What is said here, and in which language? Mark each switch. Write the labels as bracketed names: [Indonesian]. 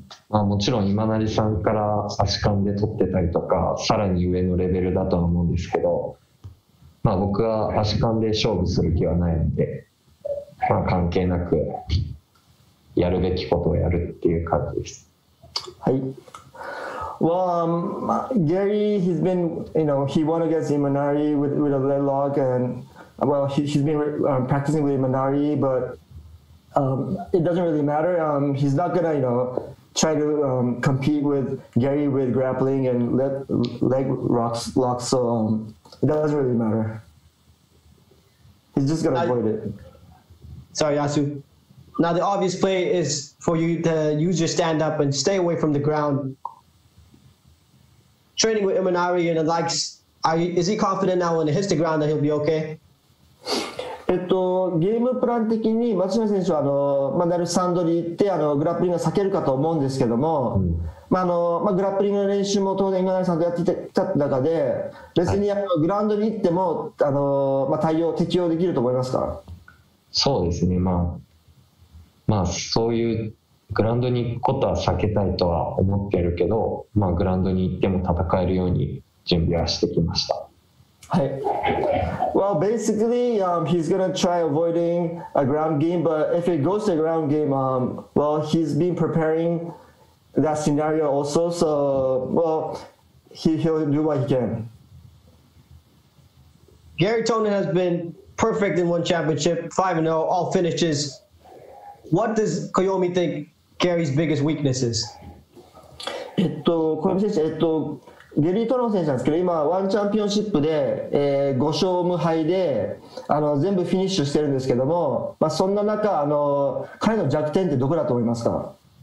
[Japanese] もちろん今成さんから足勘で取ってたりとか、さらに上のレベルだと思うんですけど、僕は足勘で勝負する気はないので、関係なくやるべきことをやるっていう感じです。はい。 [English] Well, Gary, he's been, he won against Imanari with a leg lock, and he's been practicing with Imanari, but it doesn't really matter. He's not gonna, try to compete with Gary with grappling and leg locks, so it doesn't really matter. He's just gonna avoid it. Sorry, Yasu. Now, the obvious play is for you to use your stand up and stay away from the ground. Training with Imanari and the likes, is he confident now when it hits the ground that he'll be okay? [Japanese] ゲームプラン的に松島選手はなるサンドリーってグラップリングを避けるかと思うんですけども、グラップリングの練習も当然今成さんとやってきた中で、別にグラウンドに行っても適応できると思いますか？そうですね、そういうグラウンドに行くことは避けたいとは思ってるけど、グラウンドに行っても戦えるように準備はしてきました。はい。 [English] Well, basically, he's going to try avoiding a ground game, but if it goes to a ground game, well, he's been preparing that scenario also, so, well, he'll do what he can. Gary Tonin has been perfect in one championship, 5-0, all finishes. What does Koyomi think Gary's biggest weakness is? [Japanese] Koyomi 選手、ゲリートロン選手なんですけど、今ワンチャンピオンシップで、5勝無敗で全部フィニッシュしてるんですけども、まあ、そんな中彼の弱点ってどこだと思いますか？